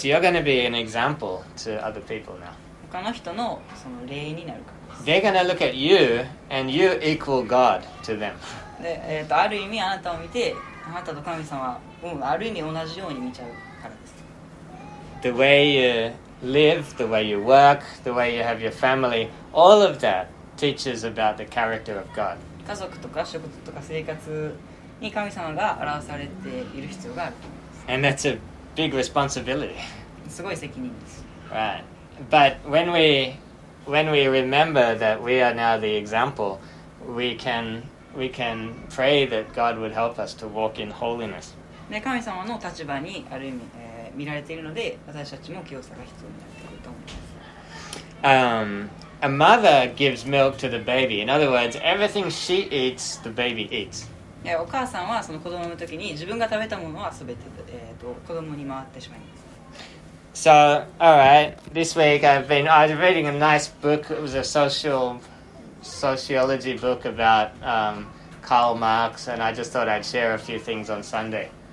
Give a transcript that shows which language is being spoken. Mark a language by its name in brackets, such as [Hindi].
[English] Because you're going to be an example to other people now. [Japanese] 他の人のその例になるからです。 [English] They're going to look at you and you equal God to them. [Japanese] で、ある意味あなたを見て、あなたと神様をある意味同じように見ちゃうからです。 [English] The way you live, the way you work, the way you have your family, all of that teaches about the character of God. [Japanese] 家族とか職とか生活に神様が表されている必要がある。 [English] And that's a big responsibility. [Japanese] すごい責任です。 [English] Right. But when we remember that we are now the example, we can pray that God would help us to walk in holiness. [Japanese] ね、神様の立場にある意味、見られているので、私たちも清さが必要になってくると思います。 [English] A mother gives milk to the baby. In other words, everything she eats, the baby eats. [Japanese] お母さんはその子供の時に自分が食べたものはすべて、子供に回ってしまいます。 [English] So, all right. This week I was reading a nice book. It was a sociology book about Karl Marx, and I just thought I'd share a few things on Sunday.